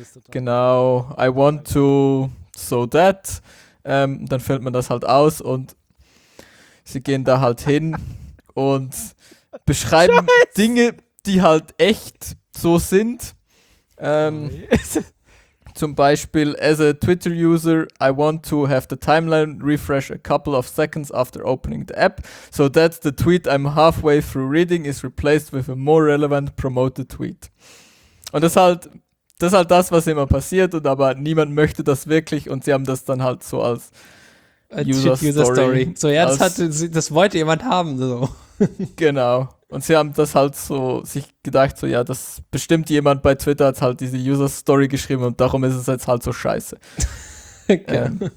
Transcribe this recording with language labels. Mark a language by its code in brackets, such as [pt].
[de] Genau, [en] I want to so that. [de] Dann füllt man das halt aus und sie gehen da halt hin und beschreiben Dinge, die halt echt so sind. Zum Beispiel, [en] as a Twitter user, I want to have the timeline refresh a couple of seconds after opening the app, so that the tweet I'm halfway through reading is replaced with a more relevant promoted tweet. [de] Und das ist halt das, was immer passiert, und aber niemand möchte das wirklich, und sie haben das dann halt so als User Story. So, ja, das wollte jemand haben. So. Genau. Und sie haben das halt so sich gedacht, so, ja, das bestimmt jemand bei Twitter hat halt diese User-Story geschrieben und darum ist es jetzt halt so scheiße. Okay.